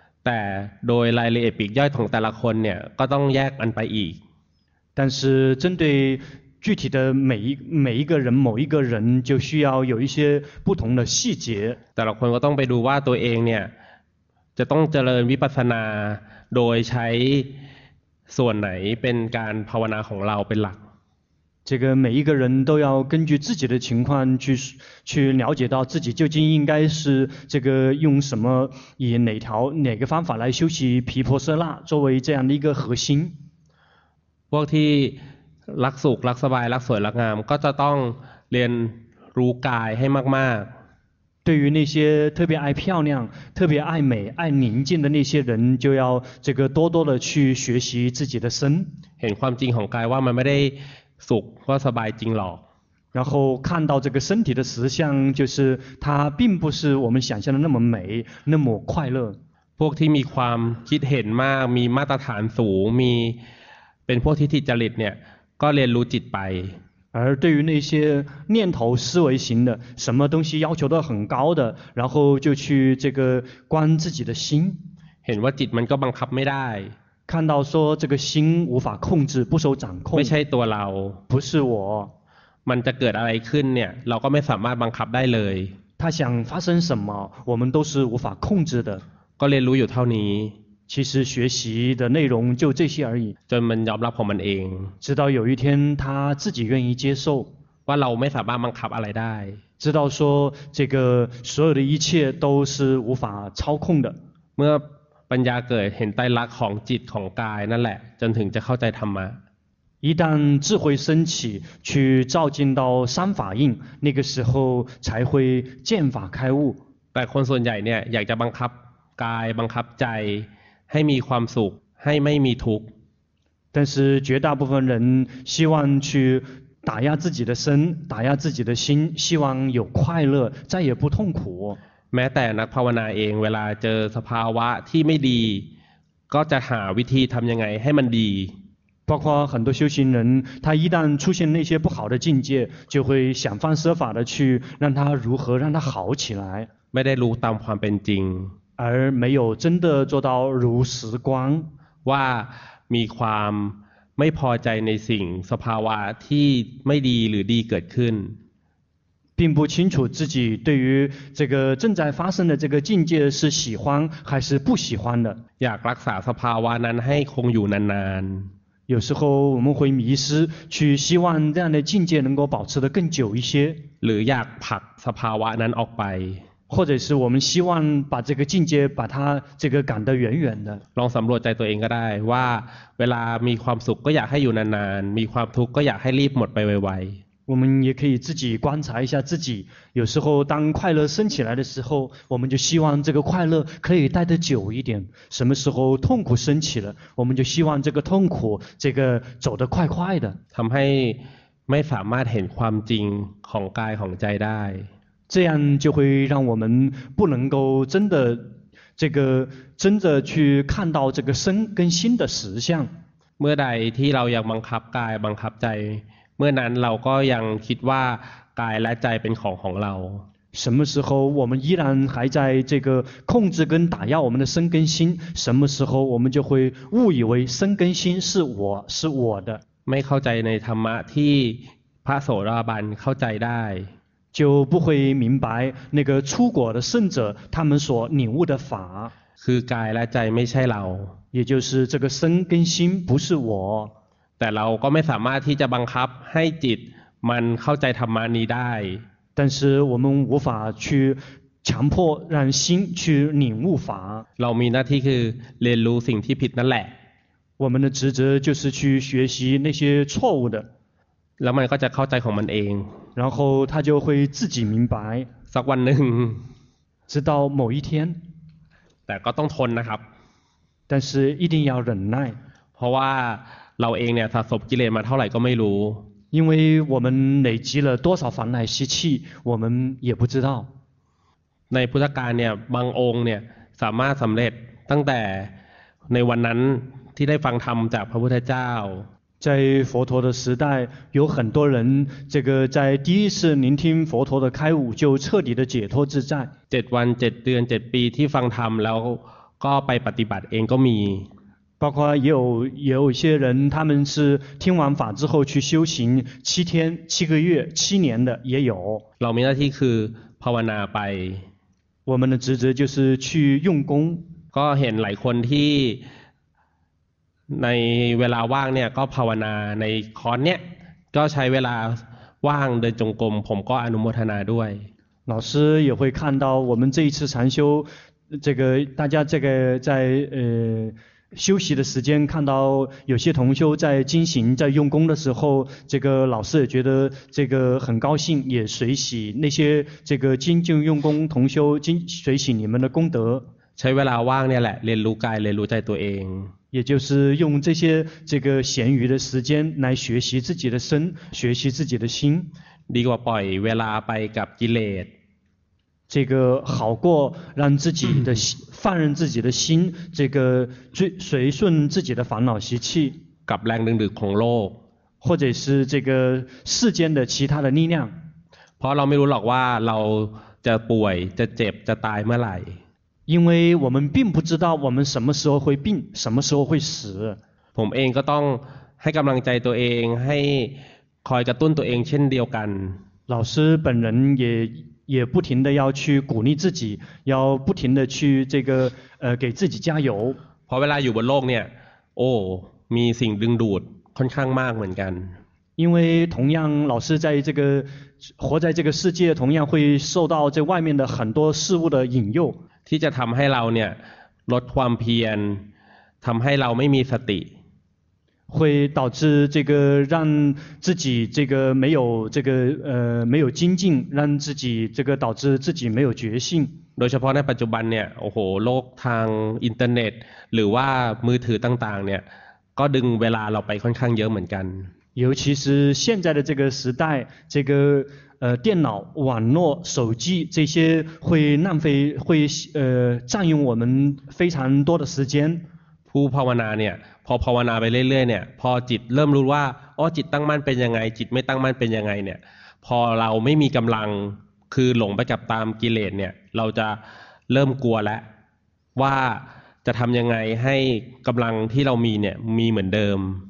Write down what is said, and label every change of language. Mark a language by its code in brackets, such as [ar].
[th] แต่โดยรายละเอียดปลีกย่อยของแต่ละคนเนี่ยก็ต้องแยกมันไปอีก [zh] 但是针对具体的每一个人某一个人就需要有一些不同的细节 [th] แต่ละคนก็ต้องไปดูว่าตัวเองเนี่ยจะต้องเจริญวิปัสสนาโดยใช้ส่วนไหนเป็นการภาวนาของเราเป็นหลัก [zh] 这个每一个人都要根据自己的情况去了解到自己究竟应该是这个用什么以哪个方法来修习毗婆舍那作为这样的一个核心。 [th] พวกที่รักสุขรักสบายรักสวยรักงามก็จะต้องเรียนรู้กายให้มากมาก [zh] 对于那些特别爱漂亮特别爱美爱宁静的那些人就要这个多多的去学习自己的身 [th] เห็นความจริงของกายว่ามันไม่ได้สุขว่าสบายจริงหรอก [zh] 然后看到这个身体的实相就是它并不是我们想象的那么美那么快乐 [th] พวกที่มีความคิดเห็นมากมีมาตรฐานสูงมีเป็นพวกทิฏฐิจริตเนี่ยก็เรียนรู้จิตไป [zh] 而对于那些念头思维型的什么东西要求都很高的然后就去这个观自己的心 [th] เห็นว่าจิตมันก็บังคับไม่ได้ [zh] 看到说这个心无法控制不受掌控 [th] ไม่ใช่ตัวเรา [zh] 不是我 [th] มันจะเกิดอะไรขึ้นเนี่ยเราก็ไม่สามารถบังคับได้เลย [zh] 他想发生什么我们都是无法控制的 [th] ก็เรียนรู้อยู่เท่านี้ [zh] 其实学习的内容就这些而已 [th] จนมันยอมรับของมันเอง [zh] 直到有一天他自己愿意接受 [th] ว่าเราไม่สามารถบังคับอะไรได้ [zh] 知道说这个所有的一切都是无法操控的 [th] เมื่อปัญญาเกิดเห็นไตรลักษณ์ของจิตของกายนั่นแหละจนถึงจะเข้าใจธรรมะ [zh] 一旦智慧升起去照进到三法印那个时候才会见法开悟 [th] แต่คนส่วนใหญ่เนี่ยอยากจะบังคับกายบังคับใจให้มีความสุขให้ไม่มีทุกข์ [zh] 但是绝大部分人希望去打压自己的身打压自己的心希望有快乐再也不痛苦 [th] แม้แต่นักภาวนาเองเวลาเจอสภาวะที่ไม่ดีก็จะหาวิธีทำยังไงให้มันดี [zh] 包括很多修行人他一旦出现那些不好的境界就会想方设法的去让他如何让他好起来 [th] ไม่ได้รู้ตามความเป็นจริง [zh] 而没有真的做到如实观 [th] ว่ามีความไม่พอใจในสิ่งสภาวะที่ไม่ดีหรือดีเกิดขึ้น [zh] 并不清楚自己对于这个正在发生的这个境界是喜欢还是不喜欢的 [th] อยากรักษาสภาวะนั้นให้คงอยู่นาน [zh] ๆ有时候我们会迷失去希望这样的境界能够保持得更久一些 [th] หรืออยากผลักสภาวะนั้นออกไป [zh] 或者是我们希望把这个境界把它这个赶得远远的 [th] ลองสำรวจใจตัวเองก็ได้ว่าเวลามีความสุขก็อยากให้อยู่นานๆมีความทุกข์ก็อยากให้รีบหมดไปไว [zh] ๆ我们也可以自己观察一下自己有时候当快乐升起来的时候我们就希望这个快乐可以待得久一点什么时候痛苦升起了我们就希望这个痛苦这个走得快快的 [th] ทำให้ไม่สามารถเห็นความจริงของกายของใจได้ [zh] 这样就会让我们不能够真的这个真的去看到这个身跟心的实相 [th] เมื่อใดที่เรายังบังคับกายบังคับใจเมื่อนั้นเราก็ยังคิดว่ากายและใจเป็นของของเรา [zh] 什么时候我们依然还在这个控制跟打压我们的身跟心什么时候我们就会误以为身跟心是我是我的 [th] ไม่เข้าใจในธรรมะที่พระโสดาบันเข้าใจได้ [zh] 就不会明白那个出果的圣者他们所领悟的法 [th] คือกายและใจไม่ใช่เรา [zh] 也就是这个身跟心不是我 [th] แต่เราก็ไม่สามารถที่จะบังคับให้จิตมันเข้าใจธรรมานี้ได้ [zh] 但是我们无法去强迫让心去领悟法 [th] เรามีหน้าที่คือเรียนรู้สิ่งที่ผิดนั่นแหละ [zh] 我们的职责就是去学习那些错误的 [th] แล้วมันก็จะเข้าใจของมันเอง [zh] 然后他就会自己明白 [th] สักวันหนึ่ง [zh] 直到某一天 [th] แต่ก็ต้องทนนะครับ [zh] 但是一定要忍耐 [th] เพราะว่าเราเองเนี่ยสะสมกิเลสมาเท่าไหร่ก็ไม่รู้ [zh] 因为我们累积了多少烦恼习气我们也不知道 [th] ในพุทธกาลเนี่ยบางองค์เนี่ยสามารถสำเร็จตั้งแต่ในวันนั้นที่ได้ฟังธรรมจากพระพุทธเจ้า [zh] 在佛陀的时代有很多人这个在第一次聆听佛陀的开悟就彻底的解脱自在 [th] 7วัน7เดือน7ปีที่ฟังธรรมแล้วก็ไปปฏิบัติเองก็มี [zh] 包括也有一些人他们是听完法之后去修行7天7个月7年的也有 [th] เรามีหน้าที่คือภาวนาไป [zh] 我们的职责就是去用功 [th] ก็เห็นหลายคนที่ในเวลาว่างเนี่ยก็ภาวนาในคอร์สเนี่ย ก็ใช้เวลาว่างเดินจงกรมผมก็อนุโมทนาด้วย [zh] 老师也会看到我们这一次禅修这个大家这个在休息的时间看到有些同修在进行在用功的时候这个老师也觉得这个很高兴也随喜那些这个精进用功同修随喜你们的功德 [th] ใช้เวลาว่างเนี่ยแหละเรียนรู้กายเรียนรู้ใจตัวเอง [zh] 也就是用这些这个闲余的时间来学习自己的身学习自己的心 [th] ดีกว่าปล่อยเวลาไปกับกิเลส [zh] 这个好过让自己的放任自己的心这个随顺自己的烦恼习气 [th] กับแรงดึงดูดของโลก [zh] 或者是这个世间的其他的力量 [th] เพราะเราไม่รู้หรอกว่าเราจะป่วยจะเจ็บจะตายเมื่อไหร่ [zh] 因为我们并不知道我们什么时候会病什么时候会死 [th] ผมเองก็ต้องให้กำลังใจตัวเองให้คอยกระตุ้นตัวเองเช่นเดียวกัน [zh] 老师本人也不停的要去鼓励自己要不停的去这个给自己加油 [th] พอเวลาอยู่บนโลกเนี่ยโอ้มีสิ่งดึงดูดค่อนข้างมากเหมือนกัน [zh] 因为同样老师在这个活在这个世界同样会受到这外面的很多事物的引诱 [th] ที่จะทำให้เราเนี่ยลดความเพียรทำให้เราไม่มีสติ [zh] 会导致这个让自己这个没有这个没有精进让自己这个导致自己没有决心 [th] โดยเฉพาะในปัจจุบันเนี่ยโอ้โหโลกทางอินเทอร์เน็ตหรือว่ามือถือต่างๆเนี่ยก็ดึงเวลาเราไปค่อนข้างเยอะเหมือนกัน [zh] 尤其是现在的这个时代这个电脑网络手机这些会浪费会占用我们非常多的时间 [th] ผู้ภาวนาเนี่ยพอภาวนาไปเรื่อยๆเนี่ยพอจิตเริ่มรู้ว่าอ๋อจิตตั้งมั่นเป็นยังไงจิตไม่ตั้งมั่นเป็นยังไงเนี่ยพอเราไม่มีกำลังคือหลงไปกับตามกิเลสเนี่ยเราจะเริ่มกลัวแล้วว่าจะทำยังไงให้กำลังที่เรามีเนี่ยมีเหมือนเดิม